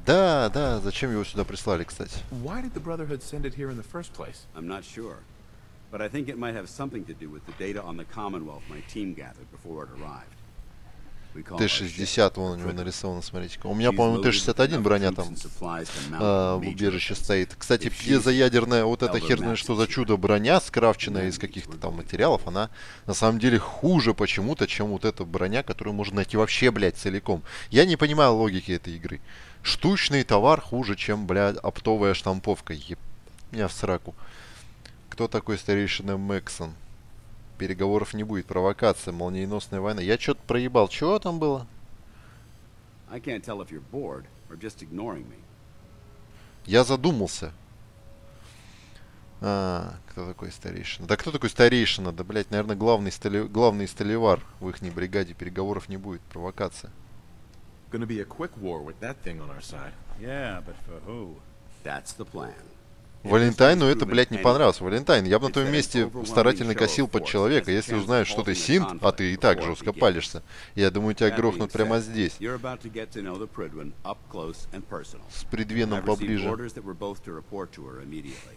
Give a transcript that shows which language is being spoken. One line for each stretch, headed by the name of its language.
Russian: Да, да, зачем его сюда прислали, кстати?
English: Why did the Brotherhood send it here in the first place? I'm not sure. But I think it might have something to do with the data on the Commonwealth my team gathered before it arrived.
Russian: Т-60 вон у него нарисована, смотрите-ка. У меня, по-моему, Т-61 броня там в убежище стоит. Кстати, пьезоядерная вот эта херня, что за чудо броня, скрафченная из каких-то там материалов, она на самом деле хуже почему-то, чем вот эта броня, которую можно найти вообще, блядь, целиком. Я не понимаю логики этой игры. Штучный товар хуже, чем, блядь, оптовая штамповка. Меня в сраку. Кто такой старейшина Мэксон? Переговоров не будет, провокация, молниеносная война. Я что-то проебал. Чего там было?
English: I can't tell if you're bored or just ignoring me.
Russian: Я задумался. А, кто такой старейшина? Да кто такой старейшина? Да, блядь, наверное, главный сталевар в их бригаде. Переговоров не будет, провокация.
English: Gonna be a quick war with that thing on our side. Yeah, but for who? That's the plan.
Russian: Валентайну это, блядь, не понравилось. Валентайн, я бы на твоем месте старательно косил под человека. Если узнают, что ты синт, а ты и так жестко палишься, я думаю, тебя грохнут прямо здесь. С Придвеном поближе.